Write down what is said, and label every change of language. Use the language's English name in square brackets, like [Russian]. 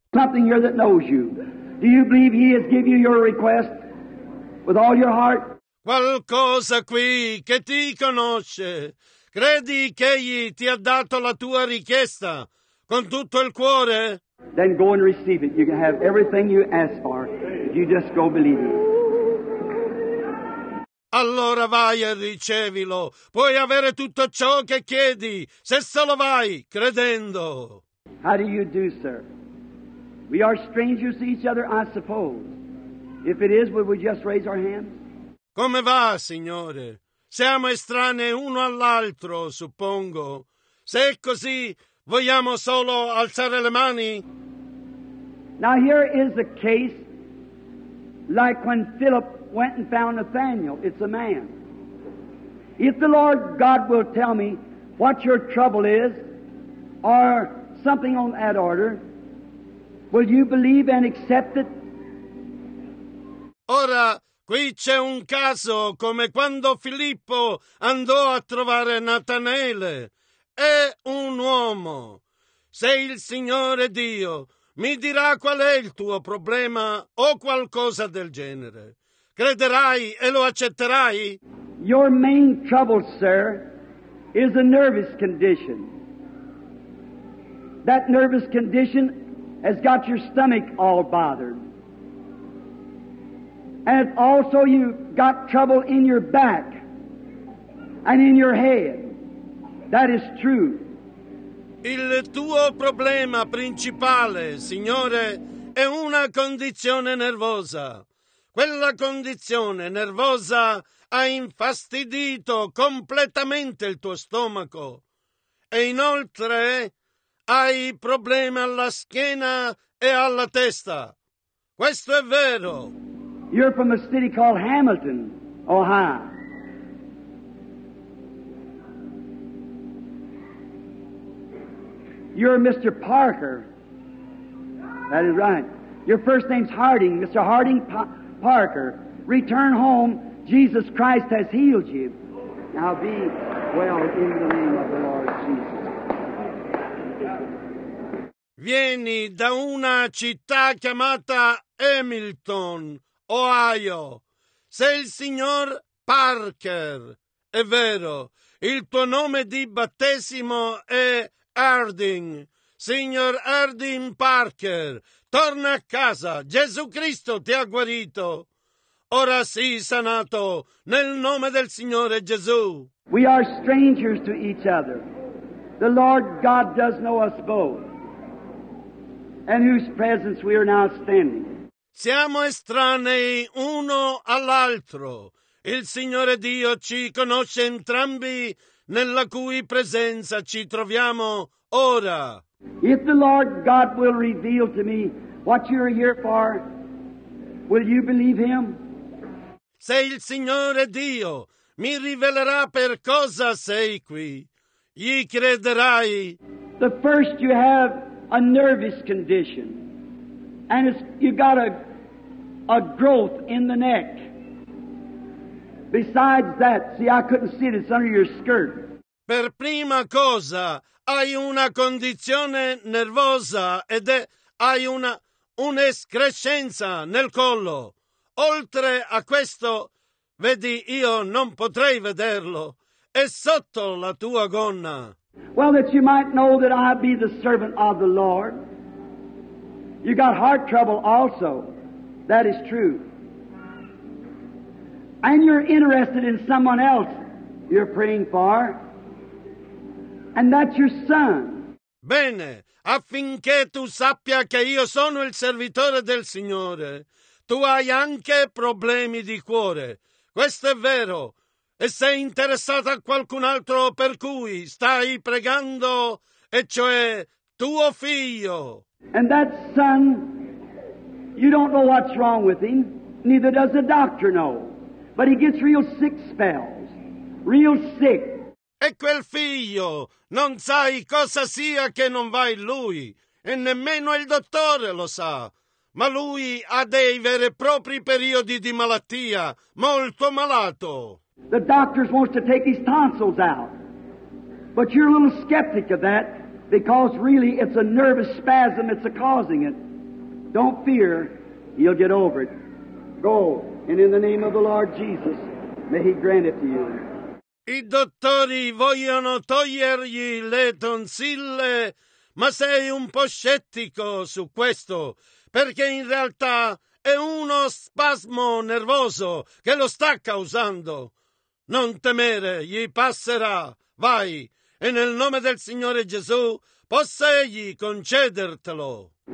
[English] Something here that knows you. Do you believe he has given you your request with all your heart? [Italian] Qualcosa qui che ti conosce. Credi che egli ti ha dato la tua richiesta con tutto il cuore. [English] Then go and receive it. You can have everything you ask for. You just go believe it. [Italian] Allora vai e ricevilo. Puoi avere tutto ciò che chiedi, se solo vai credendo. [English] How do you do, sir? We are strangers to each other, I suppose. If it is, would we just raise our hands? [Italian] Come va, signore? Siamo estranei uno all'altro, suppongo. Se è così, vogliamo solo alzare le mani? [English] Now here is a case like when Philip went and found Nathanael. It's a man. If the Lord God will tell me what your trouble is, or something on that order, will you believe and accept it? [Italian] Ora, qui c'è un caso come quando Filippo andò a trovare Natanaele. È un uomo. Se il Signore Dio mi dirà qual è il tuo problema o qualcosa del genere, crederai e lo accetterai? [English] Your main trouble, sir, is a nervous condition. That nervous condition has got your stomach all bothered. And also you've got trouble in your back and in your head. That is true. [Italian] Il tuo problema principale, signore, è una condizione nervosa. Quella condizione nervosa ha infastidito completamente il tuo stomaco. E inoltre hai problemi alla schiena e alla testa. Questo è vero. [English] You're from a city called Hamilton, Ohio. You're Mr. Parker. That is right. Your first name's Harding. Mr. Harding Parker. Return home. Jesus Christ has healed you. Now be well in the name of the Lord Jesus. [Italian] Vieni da una città chiamata Hamilton, Ohio. Sei il signor Parker. È vero, il tuo nome di battesimo è Harding. Signor Harding Parker, torna a casa. Gesù Cristo ti ha guarito. Ora sii sanato nel nome del Signore Gesù. [English] We are strangers to each other. The Lord God does know us both. And whose presence we are now standing. [Italian] Siamo estranei uno all'altro. Il Signore Dio ci conosce entrambi, nella cui presenza ci troviamo ora. [English] If the Lord God will reveal to me what you are here for, will you believe Him? [Italian] Se il Signore Dio mi rivelerà per cosa sei qui, gli crederai? [English] The first you have a nervous condition, and you've got a growth in the neck. Besides that, see, I couldn't see it, it's under your skirt. [Italian] Per prima cosa, hai una condizione nervosa ed è, hai un'escrescenza nel collo. Oltre a questo, vedi, io non potrei vederlo. È sotto la tua gonna. [English] Well, that you might know that I be the servant of the Lord. You got heart trouble also. That is true. And you're interested in someone else you're praying for. And that's your son. [Italian] Bene, affinché tu sappia che io sono il servitore del Signore, tu hai anche problemi di cuore. Questo è vero. E sei interessato a qualcun altro per cui stai pregando, e cioè tuo figlio. [English] And that son, you don't know what's wrong with him, neither does the doctor know. But he gets real sick spells, real sick. [Italian] E quel figlio, non sai cosa sia che non va in lui, e nemmeno il dottore lo sa. Ma lui ha dei veri e propri periodi di malattia, molto malato. [English] The doctor wants to take his tonsils out. But you're a little skeptic of that because really it's a nervous spasm that's causing it. Don't fear. You'll get over it. Go. And in the name of the Lord Jesus, may He grant it to you. [Italian] I dottori vogliono togliergli le tonsille, ma sei un po' scettico su questo, perché in realtà è uno spasmo nervoso che lo sta causando. Non temere, gli passerà, vai, e nel nome del Signore Gesù possa egli concedertelo.